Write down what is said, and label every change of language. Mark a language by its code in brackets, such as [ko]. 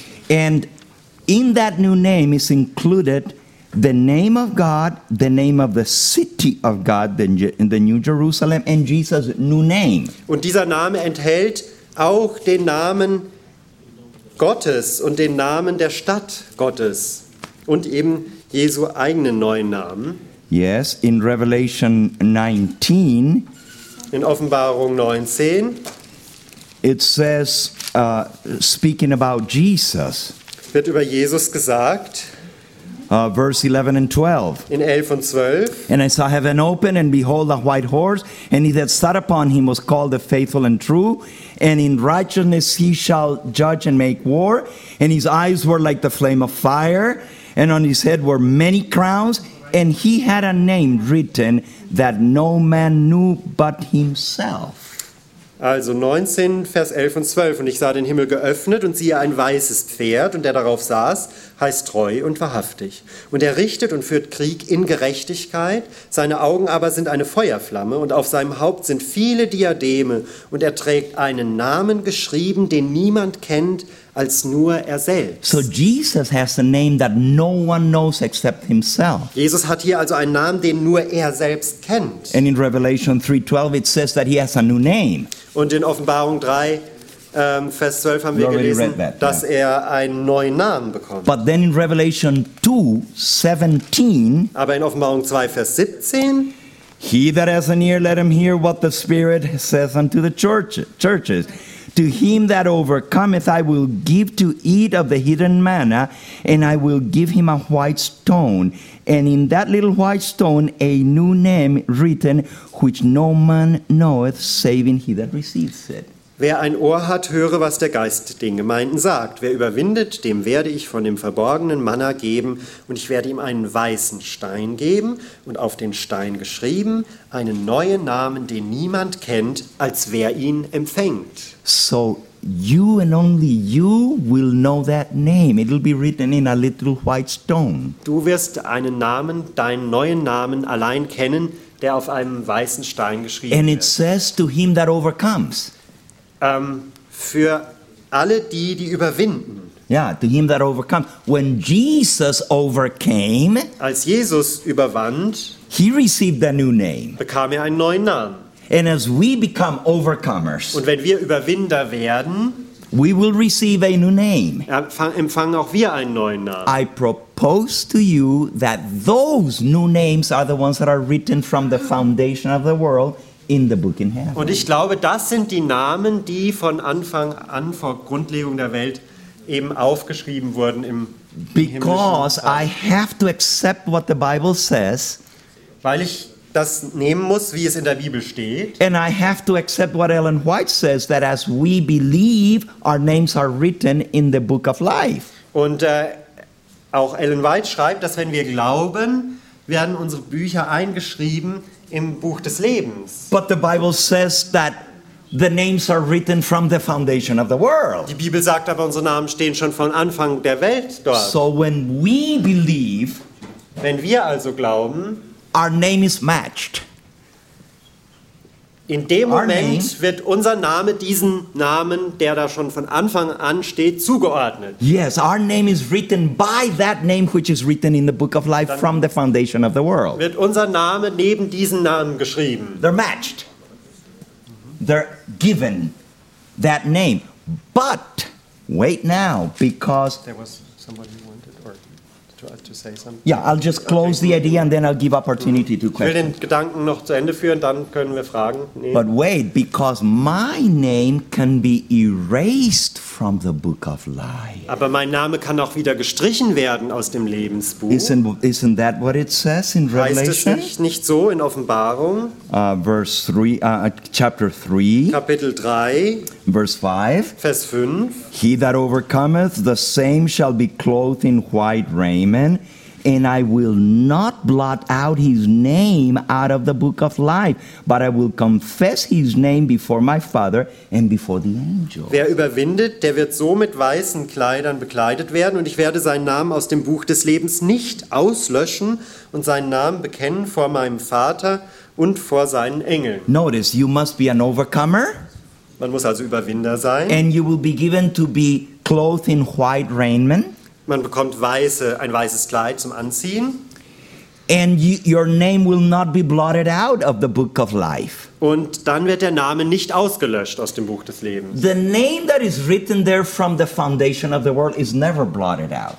[en] And in that new name is included the name of God, the name of the city of God, the New Jerusalem, and Jesus' new name. [de] Und dieser Name enthält auch den Namen Gottes und den Namen der Stadt Gottes und eben Jesu eigenen neuen Namen. [en] Yes, in Revelation 19. [de] In Offenbarung 19. [en] It says speaking about Jesus. [de] Wird über Jesus gesagt. [en] Verse 11 and 12. [de] In 11 und 12. [en] And I saw heaven open, and behold, a white horse, and he that sat upon him was called the Faithful and True, and in righteousness he shall judge and make war, and his eyes were like the flame of fire, and on his head were many crowns, and he had a name written that no man knew but himself. [de] Also 19, Vers 11 und 12. Und ich sah den Himmel geöffnet, und siehe ein weißes Pferd, und der darauf saß, heißt treu und wahrhaftig. Und er richtet und führt Krieg in Gerechtigkeit, seine Augen aber sind eine Feuerflamme, und auf seinem Haupt sind viele Diademe, und er trägt einen Namen geschrieben, den niemand kennt, als nur er selbst. [en] So Jesus has a name that no one knows except himself. [de] Jesus hat hier also einen Namen, den nur er selbst kennt. [en] And in Revelation 3:12 it says that he has a new name. [de] Und in Offenbarung 3 Vers 12 haben wir gelesen, dass er einen neuen Namen bekommt. [en] But then in Revelation 2:17, [de] aber in Offenbarung 2 Vers 17, [en] he that has an ear, let him hear what the Spirit says unto the churches. To him that overcometh, I will give to eat of the hidden manna, and I will give him a white stone. And in that little white stone, a new name written, which no man knoweth, saving he that receives it. [de] Wer ein Ohr hat, höre, was der Geist den Gemeinden sagt. Wer überwindet, dem werde ich von dem verborgenen Manna geben, und ich werde ihm einen weißen Stein geben, und auf den Stein geschrieben, einen neuen Namen, den niemand kennt, als wer ihn empfängt. [en] So you and only you will know that name. It'll be written in a little white stone. [de] Du wirst einen Namen, deinen neuen Namen allein kennen, der auf einem weißen Stein geschrieben [en] and [de] wird. [en] And it says to him that overcomes. [de] Für alle die, die überwinden. [en] Yeah, to him that overcomes. When Jesus overcame, [de] als Jesus überwand, [en] he received a new name. [de] Bekam er einen neuen Namen. [en] And as we become overcomers, [de] und wenn wir Überwinder werden, [en] we will receive a new name. [de] Empfangen auch wir einen neuen Namen. [en] I propose to you that those new names are the ones that are written from the foundation of the world in the book in heaven. [de] Und ich glaube, das sind die Namen, die von Anfang an vor Grundlegung der Welt eben aufgeschrieben wurden im [en] Because I have to accept what the Bible says, [de] weil ich das nehmen muss, wie es in der Bibel steht. [en] And I have to accept what Ellen White says, that as we believe, our names are written in the book of life. [de] Und auch Ellen White schreibt, dass wenn wir glauben, werden unsere Bücher eingeschrieben im Buch des Lebens. [en] But the Bible says that the names are written from the foundation of the world. [de] Die Bibel sagt aber, unsere Namen stehen schon von Anfang der Welt dort. [en] So when we believe, [de] wenn wir also glauben, [en] our name is matched. [de] In dem Moment wird unser Name diesen Namen, der da schon von Anfang an steht, zugeordnet. [en] Yes, our name is written by that name which is written in the book of life from the foundation of the world. [de] Wird unser Name neben diesen Namen geschrieben. [en] They're matched. They're given that name. But, wait now, because there was somebody who wanted or to say something. Yeah, I'll just close the idea and then I'll give opportunity to questions. [de] Ich will den Gedanken noch zu Ende führen, dann können wir Fragen nehmen. [en] But wait, because my name can be erased from the book of life. [de] Aber mein Name kann auch wieder gestrichen werden aus dem Lebensbuch. [en] Isn't that what it says in Revelation? [de] Heißt es nicht so in Offenbarung? [en] Verse 3, chapter 3. [de] Kapitel 3. [en] Verse 5. [de] Vers 5. [en] He that overcometh, the same shall be clothed in white raiment, and I will not blot out his name out of the book of life, but I will confess his name before my Father and before the angels. [de] Wer überwindet, der wird so mit weißen Kleidern bekleidet werden, und ich werde seinen Namen aus dem Buch des Lebens nicht auslöschen und seinen Namen bekennen vor meinem Vater und vor seinen Engeln. [en] Notice, you must be an overcomer. [de] Man muss also Überwinder sein. [en] And you will be given to be clothed in white raiment. [de] Man bekommt ein weißes Kleid zum Anziehen. [en] And your name will not be blotted out of the book of life. [de] Und dann wird der Name nicht ausgelöscht aus dem Buch des Lebens. [en] The name that is written there from the foundation of the world is never blotted out.